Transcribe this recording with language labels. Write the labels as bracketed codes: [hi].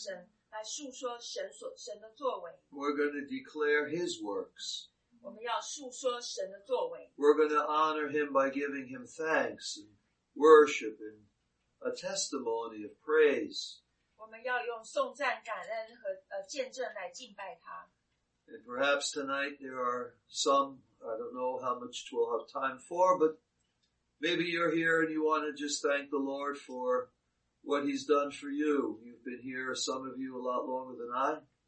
[zh] 就像大卫在诗篇里说，我要在圣民的会中来敬拜神，来述说神所神的作为。 [en] We're going to declare His works. [zh] 我们要述说神的作为。 [en] We're going to honor Him by giving Him thanks and worship and a testimony of praise. [zh] 我们要用颂赞、感恩和见证来敬拜他。 [en] And perhaps tonight there are some, I don't know how much we'll have time for, but maybe you're here and you want to just thank the Lord for what He's done for you. You've been here, some of you, a lot longer than I.